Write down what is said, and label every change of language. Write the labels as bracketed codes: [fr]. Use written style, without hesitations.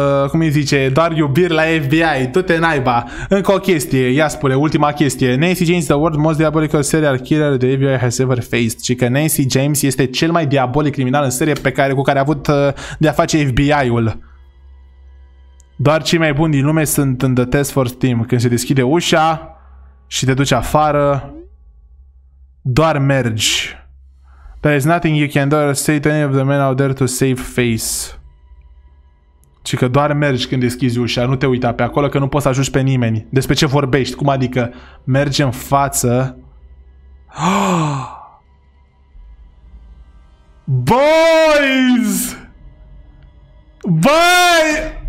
[ro] cum îi zice, doar iubiri la FBI, tu te naiba. Încă o chestie, ia spune, ultima chestie. [en] Nancy James is the world most diabolical serial killer the FBI has ever faced. [ro] Și că Nancy James este cel mai diabolic criminal în serie pe care, cu care a avut de-a face FBI-ul. Doar cei mai buni din lume sunt în the task force team. Când se deschide ușa și te duci afară, doar mergi. [en] There is nothing you can do or say to any of the men out there to save face. [ro] Și că doar mergi când deschizi ușa, nu te uita pe acolo, că nu poți să ajungi pe nimeni. Despre ce vorbești? Cum adică? Mergi în față. Boys! Băi!